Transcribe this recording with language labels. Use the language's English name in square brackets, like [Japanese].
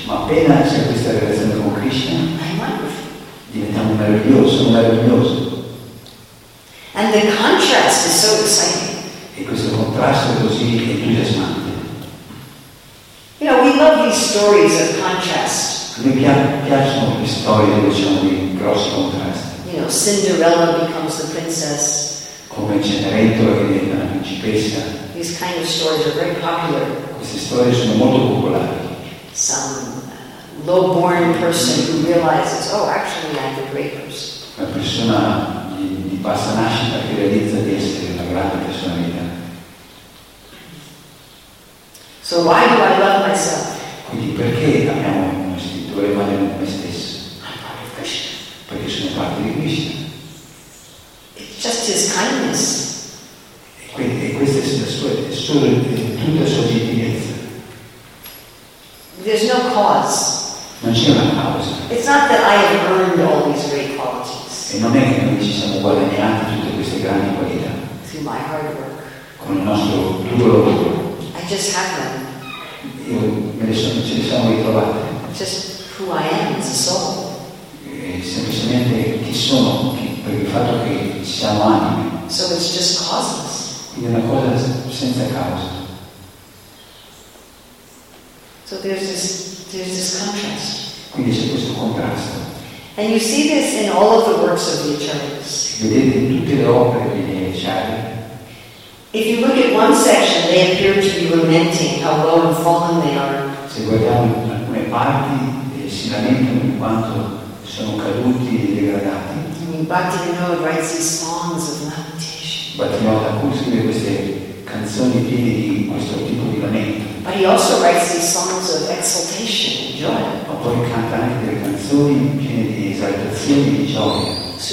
[Italian] ma appena c'è questa relazione con Krishna, [English] I'm [Italian] diventiamo meraviglioso. [English] And the contrast is so exciting. [Italian] E questo contrasto è così entusiasmante. [English] You know, we love these stories of contrast. [Italian] Mi piacciono le storie, diciamo, di grossi contrasti. [English] You know, Cinderella becomes the princess. [Italian] Come Cenerentola diventa la principessa. [English] These kind of stories are very popular. [Italian] Queste storie sono molto popolari. [English] Some low-born person who realizes, oh, actually, I'm the great person. [Italian] Una persona di bassa nascita che realizza di essere una grande personalità. [English] So why do I love myself? [Italian] Quindi perché amiamo noi stessi? Dovremmo amare noi stessi? Perché sono parte di Krishna. [English] It's just his kindness. [Italian] E questa è la sua, tutta sua gentilezza. [English] There's no cause. [Italian] Non c'è una causa. [English] It's not that I have earned all these great qualities. [Italian] E non è che noi ci siamo guadagnati tutte queste grandi qualità. [English] Through my hard work. [Italian] Con il nostro duro lavoro. [English] I just have them. [Italian] Io me ne sono, ce ne siamo ritrovate. [English] Just who I am as a soul. [Italian] E semplicemente chi sono, per il fatto che ci siamo anime. [English] So it's just causeless. [Italian] Quindi è una cosa senza causa. [English] So there's this contrast. [Italian] Quindi c'è questo contrasto. [English] And you see this in all of the works of the Acharyas. [Italian] Vedete in tutte le opere degli Acharya. [English] If you look at one section, they appear to be lamenting how low and fallen they are. [Italian] Se guardiamo alcune parti, si lamentano di quanto sono caduti e degradati. [English] Bhaktivinoda writes these songs of lamentation. [Italian] Bhaktivinoda scrive queste canzoni piene di questo tipo di lamento. [English] But he also writes these songs of exaltation and joy. [Italian] Ma poi canta anche delle canzoni piene di esaltazione e di gioia.